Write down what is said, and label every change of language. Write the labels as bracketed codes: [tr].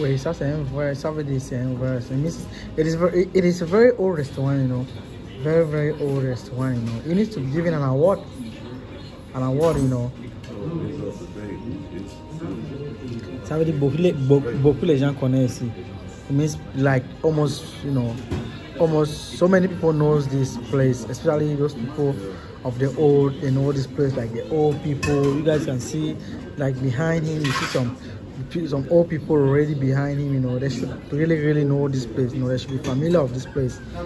[fr] Oui, ça c'est un vrai. Ça veut dire c'est un vrai. [en] It is a very old restaurant, you know. Very very old restaurant, you know. It needs to be given an award. An award, you know. [fr] Ça veut dire beaucoup les gens connaissent ici. [en] It means like almost, you know. Almost so many people knows this place, especially those people of the old, they know this place, like the old people. You guys can see, like behind him, you see some old people already behind him, you know. They should really, really know this place, you know. They should be familiar with this place.